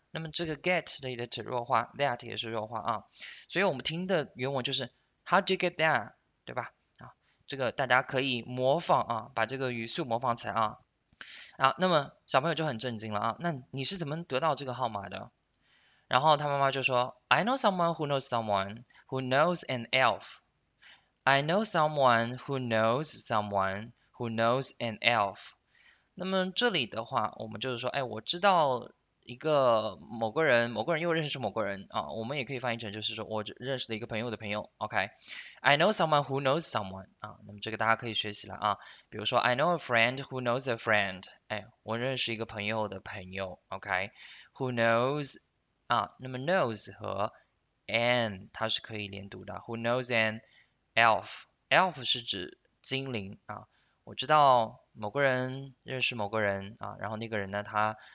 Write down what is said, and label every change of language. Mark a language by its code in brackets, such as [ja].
[zh] 那么这个 get 里的弱化，that 也是弱化啊，所以我们听的原文就是 [en] How do you get there， [zh] 对吧？啊，这个大家可以模仿啊，把这个语速模仿起来啊。那么小朋友就很震惊了啊，那你是怎么得到这个号码的？然后他妈妈就说 [en] I know someone who knows someone who knows an elf. I know someone who knows someone who knows an elf. [zh] 那么这里的话，我们就是说，哎，我知道。一个某个人又认识某个人啊，我们也可以翻译成就是说我认识的一个朋友的朋友，OK？ [en] I know someone who knows someone [zh] 啊，那么这个大家可以学习了啊，比如说 [en] I know a friend [zh] who knows a friend，哎，我认识一个朋友的朋友，OK？Who knows 啊，那么 knows 和 an 它是可以连读的， [en] Who knows an elf？ [zh] Elf 是指精灵啊，我知道某个人认识某个人啊，然后那个人呢他。